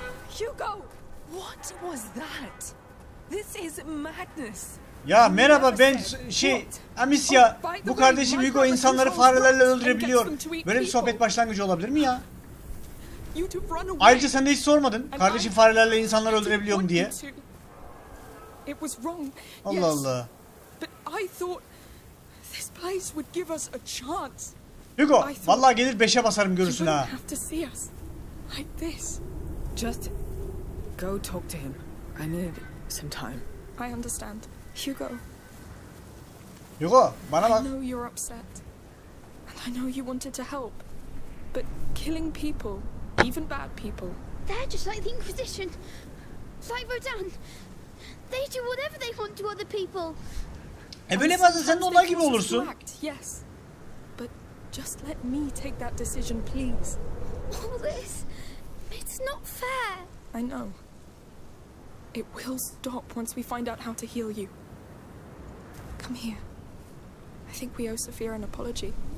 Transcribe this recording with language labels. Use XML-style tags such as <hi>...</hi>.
<en>Hugo, what was that? This is madness.</en> <tr>Ya merhaba, ben Amicia. Bu kardeşim Hugo insanları farelerle öldürebiliyor. Böyle bir sohbet başlangıcı olabilir mi ya? Ayrıca sen de hiç sormadın. Kardeşim farelerle insanları öldürebiliyor mu diye.</tr> <en>It was wrong.</en> <tr>Allah Allah.</tr> <en>But I thought this place would give us a chance.</en> <tr>Hugo, vallahi gelir beşe basarım görürsün ha.</tr> <en>Have to see us like this. Just go talk to him. I need some time. I understand. Hugo.</en> <tr>Hugo, bana bak.</tr> <en>I know you're upset. And I know you wanted to help. But killing people, even bad people. They're just like the Inquisition. Like Rodan. They do whatever they want to other people.</en> <tr>Böyle bazen sen de onlar gibi olursun.</tr> <en>Yes. But just let me take that decision, please. All this, it's not fair. I know. It will stop once we find out how to heal you. Come here. I think we owe Sophia an apology.</en>